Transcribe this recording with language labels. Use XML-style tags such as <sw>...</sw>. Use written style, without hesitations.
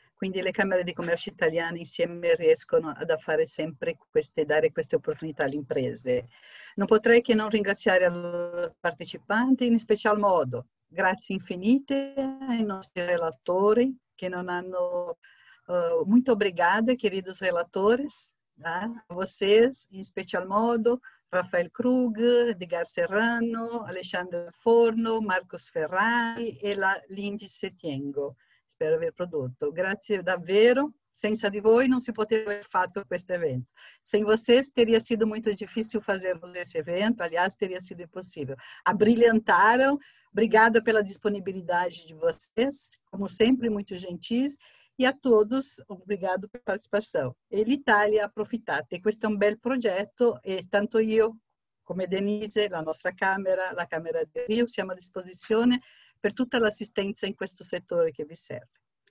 <it>Quindi le Camere di Commercio Italiane insieme riescono ad fare sempre dare queste opportunità alle imprese. Non potrei che non ringraziare i partecipanti in special modo. Grazie infinite ai nostri relatori che non hanno...</it> <pt>Muito obrigada, queridos relatores, a vocês, em special modo, Rafael Krug, Edgar Serrano, Alexandre Forno, Marcos Ferrari e la Lindy Setiengo.</pt> <it>Spero aver prodotto. Grazie davvero. Senza di voi non si poteva aver fatto questo evento.</it> <pt>Sem vocês teria sido muito difícil fazer esse evento, aliás, teria sido impossível. Abrilhantaram. Obrigada pela disponibilidade de vocês, como sempre, muito gentis. E a todos, obrigado pela participação.</pt> <it>E l'Italia, approfittate. Questo è un bel progetto e tanto io, come Denise, la nostra Camera, la Camera di Rio, siamo a disposizione per tutta l'assistenza in questo settore che vi serve.</it>